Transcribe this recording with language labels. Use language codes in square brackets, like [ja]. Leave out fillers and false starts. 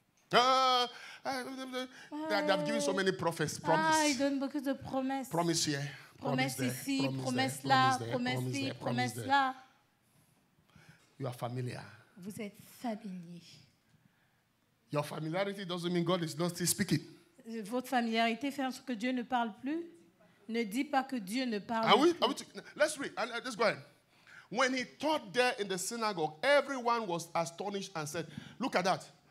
[en] They've given so many prophets. [fr] Promise. Ils donnent beaucoup de promesses. [en] Promise here. [fr] Promesse ici. Promesse là. Promesse ici. Promesse là. [en] You are familiar. [fr] Vous êtes familier. [en] Your familiarity doesn't mean God is not still speaking. [fr] Votre familiarité fait en sorte que Dieu ne parle plus. Ne dit pas que Dieu ne parle [en] are we, [fr] plus. [en] Are we let's read. Let's go ahead. When he taught there in the synagogue, everyone was astonished and said, look at that.